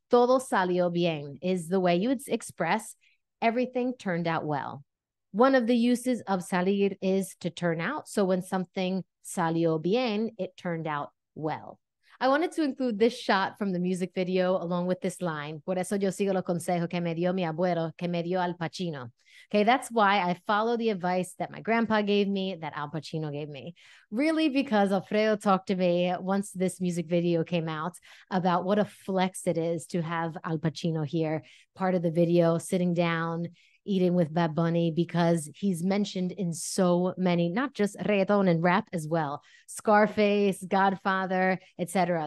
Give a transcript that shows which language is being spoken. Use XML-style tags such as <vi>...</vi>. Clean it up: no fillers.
<es>Todo salió bien</es> <en>is the way you would express everything turned out well. One of the uses of salir is to turn out. So when something salió bien, it turned out well. I wanted to include this shot from the music video along with this line.</en> <es>Por eso yo sigo los consejos que me dio mi abuelo, que me dio Al Pacino.</es> <en>Okay, that's why I follow the advice that my grandpa gave me, that Al Pacino gave me. Really, because Alfredo talked to me once this music video came out about what a flex it is to have Al Pacino here, part of the video, sitting down, eating with Bad Bunny, because he's mentioned in so many, not just reggaeton and rap as well, Scarface, Godfather, etc.</en>